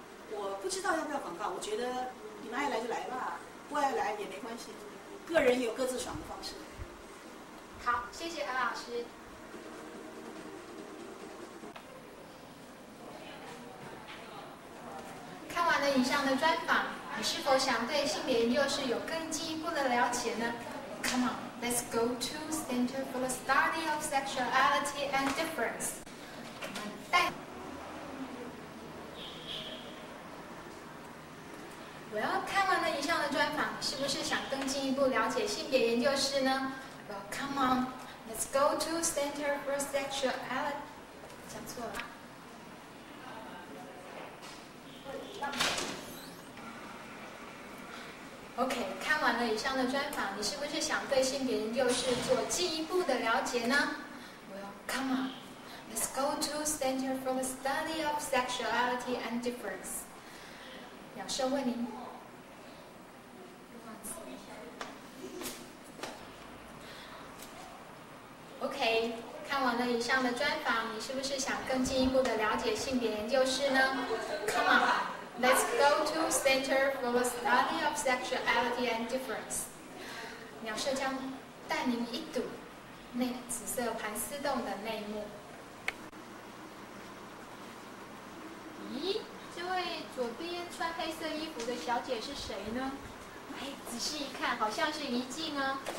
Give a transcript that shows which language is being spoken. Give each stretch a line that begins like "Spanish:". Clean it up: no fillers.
Chinese: 我不知道要不要广告，我觉得你们爱来就来吧，不爱来也没关系，个人有各自爽的方式。好，谢谢何老师。看完了以上的专访，你是否想对性别研究室有更进一步的了解呢？
English: Come on, let's go to Center for the Study of Sexuality and Difference.
Chinese: 看完了以上的专访，是不是想更进一步了解性别研究室呢？
English: Well, come on, let's go to Center for Sexuality.
Chinese: 讲错了。 OK， 看完了以上的专访，你是不是想对性别研究室做进一步的了解呢？
English: Well, come on, let's go to Center for the Study of Sexuality and Difference.
Chinese: 杨生问您。看完了以上的专访，你是不是想更进一步的了解性别研究室呢？
English: Come on, let's go to Center for the Study of Sexuality and Difference.
Chinese: 鸟舍将带您一睹那紫色盘丝洞的内幕。咦，这位左边穿黑色衣服的小姐是谁呢？哎，仔细一看，好像是怡静啊。